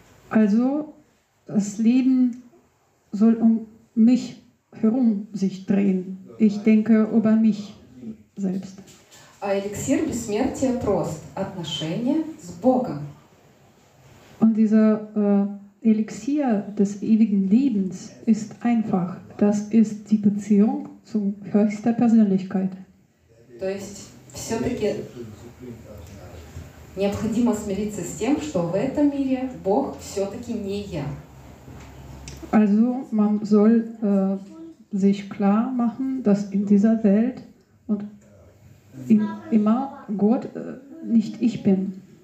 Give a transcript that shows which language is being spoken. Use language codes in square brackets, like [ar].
[de] Also, das Leben soll um mich herum sich drehen. Ich denke über mich selbst. [ru] Эликсир бессмертия прост. Отношения с Богом. [de] Und dieser Elixier des ewigen Lebens ist einfach. Das ist die Beziehung zu höchster Persönlichkeit. [ru] То есть все-таки необходимо смириться с тем, что в этом мире Бог все-таки не я. [de] Also man soll sich klar machen, dass in dieser Welt und immer Gott nicht ich bin.